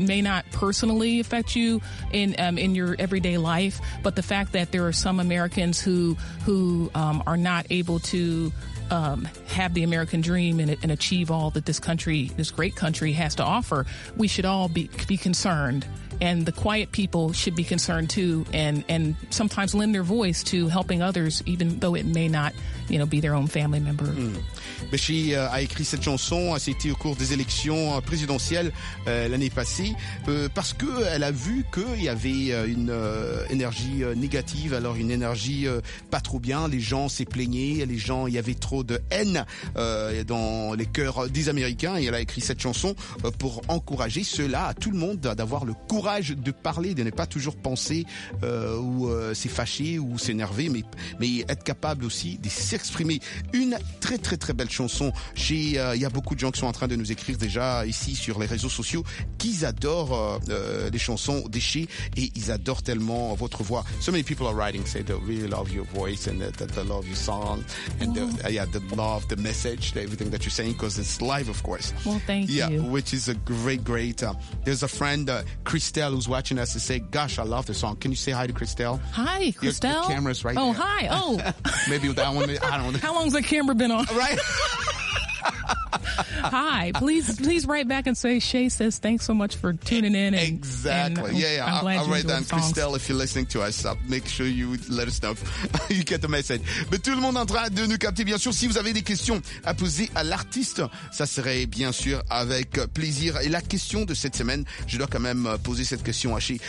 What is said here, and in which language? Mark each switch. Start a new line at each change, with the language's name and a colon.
English: It may not personally affect you in your everyday life, but the fact that there are some Americans who are not able to have the American dream and achieve all that this country, this great country, has to offer, we should all be concerned. And the quiet people should be concerned too, and sometimes lend their voice to helping others, even though it may not, you know, be their own family member.
French: Béchi a écrit cette chanson, c'était au cours des élections présidentielles l'année passée, parce que elle a vu qu'il y avait une énergie négative, alors une énergie pas trop bien, les gens s'est plaignaient, les gens, il y avait trop de haine dans les cœurs des Américains, et elle a écrit cette chanson pour encourager cela à tout le monde d'avoir le courage de parler, de ne pas toujours penser ou s'effacer ou s'énerver, mais être capable aussi de s'exprimer. Une très très très belle chanson. Il y a beaucoup de gens qui sont en train de nous écrire déjà ici sur les réseaux sociaux, qu'ils adorent les chansons d'Eché et ils adorent tellement votre voix.
English: So many people are writing, say they really love your voice and that they love your song and the love, the message, everything that you're saying, because it's live, of course. Well, thank you. Yeah, which is a great, great. There's a friend, Christelle, who's watching us, to say, gosh, I love the song. Can you say hi to Christelle? Hi, Christelle. Your camera's right there. Hi. Oh. Maybe that one. I don't know. How long's the camera been on? Right. Hi. Please write back and say, Shay says, thanks so much for tuning in. Exactly. And yeah. I'm glad I'll write down, Christelle, if you're listening to us, make sure you let us know. You get the message.
French: Mais tout le monde en train de nous capter. Bien sûr, si vous avez des questions à poser à l'artiste, ça serait bien sûr avec plaisir. Et la question de cette semaine, je dois quand même poser cette question à Shay.